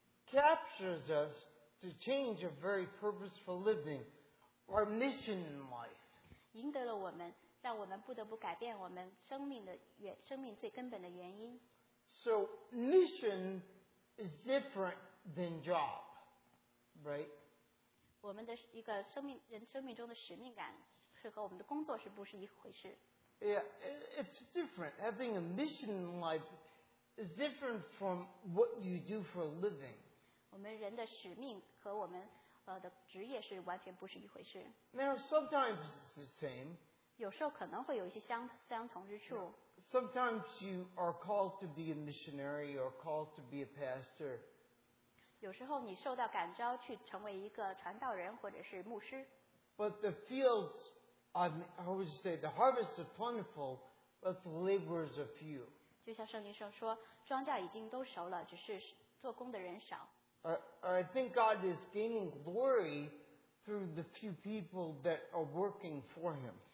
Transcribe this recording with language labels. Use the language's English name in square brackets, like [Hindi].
[English] Captures us to change a very purposeful living. Our mission in life. [Chinese] 赢得了我们，让我们不得不改变我们生命的原，生命最根本的原因。 [English] So mission is different than job, right? [Chinese] 我们的一个生命，人生命中的使命感是和我们的工作是不是一回事？ [English] Yeah, it's different. Having a mission in life is different from what you do for a living. [Chinese] 我们人的使命和我们的职业是完全不是一回事。 [English] Now sometimes it's the same. [Chinese] 有时候可能会有一些相同之处。 [English] Sometimes you are called to be a missionary or called to be a pastor. [Chinese] 有时候你受到感召去成为一个传道人或者是牧师。 [English] But the fields, how would you say, the harvest is plentiful, but the laborers are few. [Chinese] 就像圣经上说，庄稼已经都熟了，只是做工的人少。 [English] I think God is gaining glory through the few people that are working for Him.